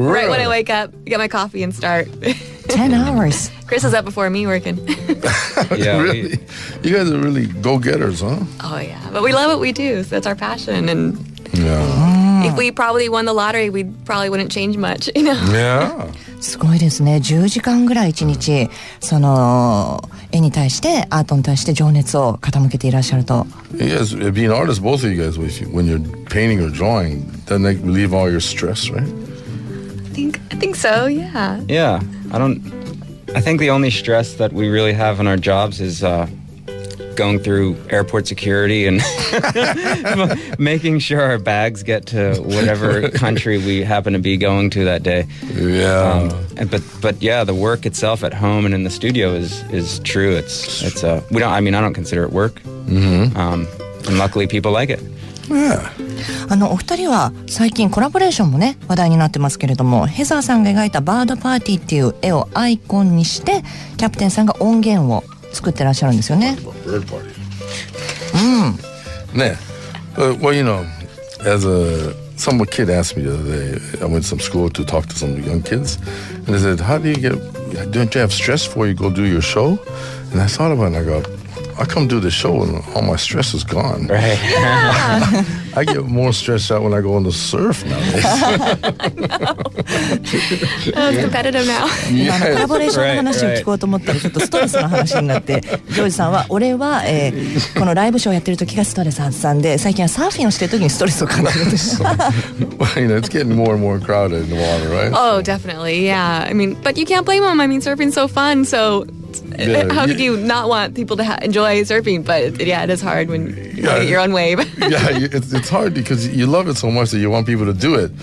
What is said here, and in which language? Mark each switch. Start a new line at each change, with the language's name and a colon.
English: Right when I wake up, get my coffee and start. 10 hours? Chris is up before me working. Yeah, really? You guys are really go-getters, huh? Oh yeah, but we love what we do, so that's our passion and... Yeah. If we probably won the lottery, we probably wouldn't change much, you know? Yeah.
Japanese: すごいですね。10時間ぐらい1日、その、絵に対して、アートに対して情熱を傾けていらっしゃると。
English: Yes, being artists, both of you guys, when you're painting or drawing, then they relieve all your stress, right? I think so, yeah. Yeah, I think the only stress that we really have in our jobs is, going through airport security and making sure our bags get to whatever country we happen to be going to that day. Yeah. But yeah, the work itself at home and in the studio is true. It's we don't. I mean, I don't consider it work. Mm-hmm. And luckily, people like it. Yeah.
Japanese: お二人は最近コラボレーションもね話題になってますけれども、ヘザーさんが描いたバードパーティーっていう絵をアイコンにしてキャプテンさんが音源を。作ってらっしゃるんですよね。
English: Bird party.
Japanese: ね。
English: Well, you know, as a some kid asked me the other day, I went to some school to talk to some young kids, and they said, "How do you get? Don't you have stress before you go do your show?" And I thought about it, and I go, "I come do this show, and all my stress is gone." Right. Yeah. I get more stressed out when I go on the surf nowadays. I know. I'm competitive now. Yeah.
Japanese: コラボレーションの話を聞こうと思ったらちょっとストレスの話になって、ジョージさんは俺は、このライブショーをやってる時がストレス発散で、最近はサーフィンをしてる時にストレスを感じるんです。
English: Well, you know, it's getting more and more crowded in the water, right? Oh, definitely. Yeah. I mean, but you can't blame them. I mean, surfing's so fun, so. Yeah, how could you not want people to enjoy surfing? But yeah, it is hard when you're on wave. Yeah, it's hard because you love it so much that you want people to do it.